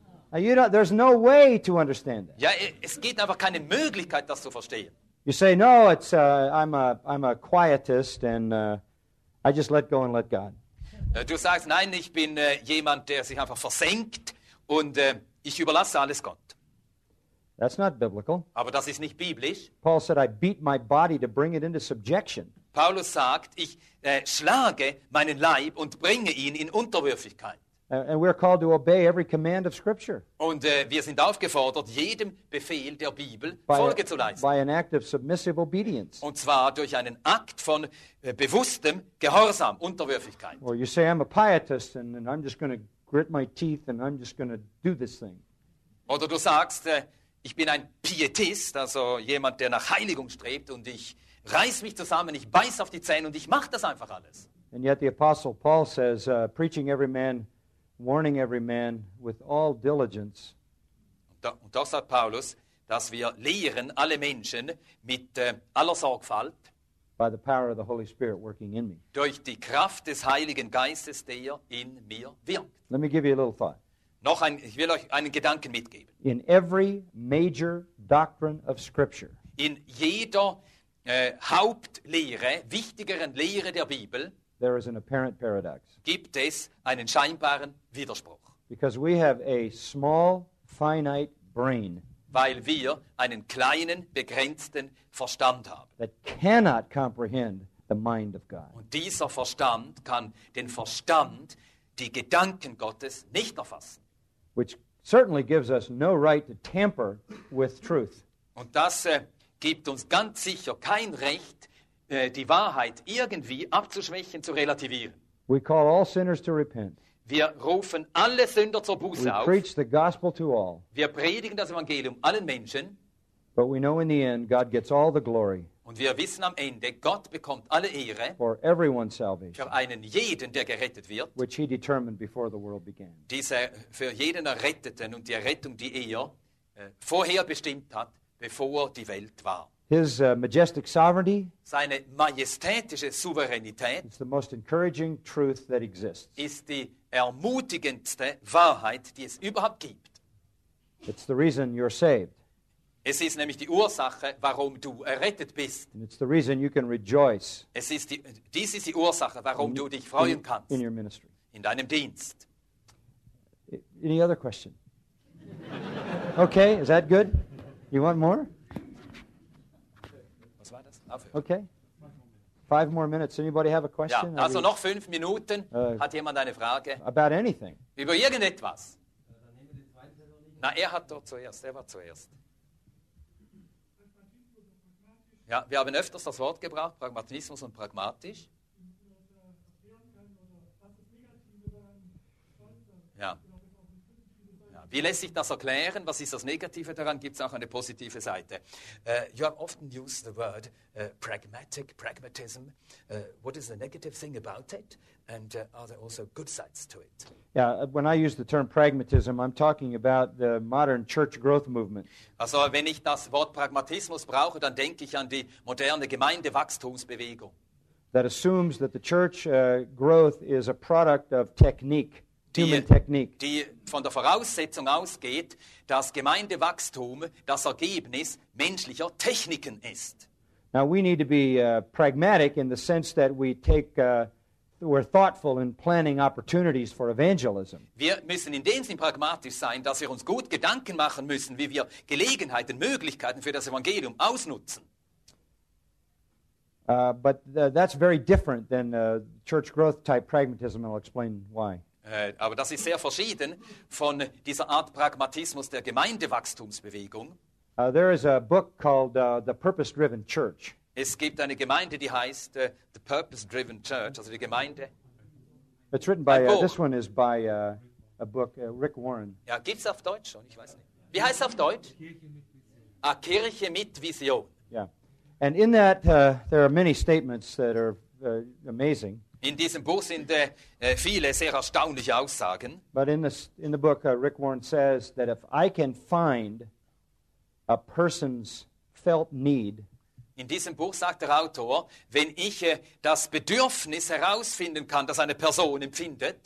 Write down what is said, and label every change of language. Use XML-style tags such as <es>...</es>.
<en>Now, you know, there's no way to understand that.</en> <de>Ja, es gibt einfach keine Möglichkeit, das zu verstehen.</de> <en>You say, no, it's I'm a quietist and I just let go and let God.</en> <de>Du sagst, nein, ich bin jemand, der sich einfach versenkt und ich überlasse alles Gott.</de> <en>That's not biblical.</en> <de>Aber das ist nicht biblisch.</de> <en>Paul said, I beat my body to bring it into subjection.</en> <de>Paulus sagt, ich schlage meinen Leib und bringe ihn in Unterwürfigkeit.</de> <en>And we're called to obey every command of Scripture.</en> <de>Und wir sind aufgefordert, jedem Befehl der Bibel Folge zu leisten.</de> <en>By an act of submissive obedience.</en> <de>Und zwar durch einen Akt von bewusstem Gehorsam, Unterwürfigkeit.</de> <en>Or you say, I'm a pietist and I'm just going to grit my teeth and I'm just going to do this thing.</en> <de>Oder du sagst, ich bin ein Pietist, also jemand, der nach Heiligung strebt und ich reiß mich zusammen, ich beiß auf die Zähne und ich mache das einfach alles.</de> <en>And yet the Apostle Paul says, preaching every man, warning every man with all diligence.</en> <de>Und doch sagt Paulus, dass wir lehren alle Menschen mit aller Sorgfalt</de> <en>by the power of the Holy Spirit working in me.</en> <de>Durch die Kraft des Heiligen Geistes, der in mir wirkt.</de> <en>Let me give you a little thought.</en> <de>Ich will euch einen Gedanken mitgeben.</de> <en>In every major doctrine of Scripture,</en> <de>in jeder Hauptlehre, wichtigeren Lehre der Bibel,</de> <en>there is an apparent paradox.</en> <de>Gibt es einen scheinbaren Widerspruch.</de> <en>Because we have a small, finite brain,</en> <de>weil wir einen kleinen, begrenzten Verstand haben,</de> <en>that cannot comprehend the mind of God.</en> <de>Und dieser Verstand kann den Verstand, die Gedanken Gottes, nicht erfassen.</de> <en>Which certainly gives us no right to tamper with truth.</en> <de>Und das gibt uns ganz sicher kein Recht, die Wahrheit irgendwie abzuschwächen, zu relativieren.</de> <en>We call all sinners to repent.</en> <de>Wir rufen alle Sünder zur Buße</de> <en>we</en> <de>auf.</de> <en>Preach the gospel to all.</en> <de>Wir predigen das Evangelium allen Menschen.</de> <en>But we know in the end, God gets all the glory.</en> <de>Und wir wissen am Ende, Gott bekommt alle Ehre</de> <en>for everyone's salvation,</en> <de>für einen jeden, der gerettet wird,</de> <en>which he determined before the world began.</en> <de>Diese für jeden Erretteten und die Errettung, die er vorher bestimmt hat, bevor die Welt war.</de> <en>His majestic sovereignty,</en> <de>seine majestätische Souveränität,</de> <en>is the most encouraging truth that exists.</en> <de>Ist die ermutigendste Wahrheit, die es überhaupt gibt.</de> <en>It's the reason you're saved.</en> <de>Es ist nämlich die Ursache, warum du errettet bist.</de> <en>And it's the reason you can rejoice.</en> <de>Dies ist die Ursache, warum du dich freuen kannst.</de> <en>In your ministry.</en> <de>In deinem Dienst.</de> <en>Any other question? Okay, is that good? You want more? Okay. 5 more minutes. Anybody have a question?</en> <de>Ja, also noch 5 Minuten. Hat jemand eine Frage?</de> <en>About anything.</en> <de>Über irgendetwas. Na, er hat doch zuerst. Er war zuerst. Ja, wir haben öfters das Wort gebracht, Pragmatismus und pragmatisch. Ja. Wie lässt sich das erklären? Was ist das Negative daran? Gibt es auch eine positive Seite?</de> <en>You have often used the word pragmatic, pragmatism. What is the negative thing about it? And are there also good sides to it? Yeah, when I use the term pragmatism, I'm talking about the modern church growth movement.</en> <de>Also, wenn ich das Wort Pragmatismus brauche, dann denke ich an die moderne Gemeindewachstumsbewegung.</de> <en>That assumes that the church growth is a product of technique.</en> <de>Die von der Voraussetzung ausgeht, dass Gemeindewachstum das Ergebnis menschlicher Techniken ist.</de> <en>Now we need to be pragmatic in the sense that we're thoughtful in planning opportunities for evangelism.</en> <de>Wir müssen in dem Sinn pragmatisch sein, dass wir uns gut Gedanken machen müssen, wie wir Gelegenheiten, Möglichkeiten für das Evangelium ausnutzen.</de> <en>But that's very different than church growth type pragmatism, and I'll explain why.</en> <de>Aber das ist sehr verschieden von dieser Art Pragmatismus der Gemeindewachstumsbewegung.</de> <en>There is a book called The Purpose-Driven Church.</en> <de>Es gibt eine Gemeinde, die heißt the Purpose Driven Church, also die Gemeinde.</de> <en>It's written by this one is by a book Rick Warren.</en> <de>Ja, gibt's auf Deutsch schon? Ich weiß nicht. Wie heißt es auf Deutsch? A Kirche mit Vision.</de> <en>Yeah, and in that there are many statements that are amazing.</en> <de>In diesem Buch sind viele sehr erstaunliche Aussagen.</de> <en>But in the book Rick Warren says that if I can find a person's felt need.</en> <de>In diesem Buch sagt der Autor, wenn ich das Bedürfnis herausfinden kann, das eine Person empfindet,</de>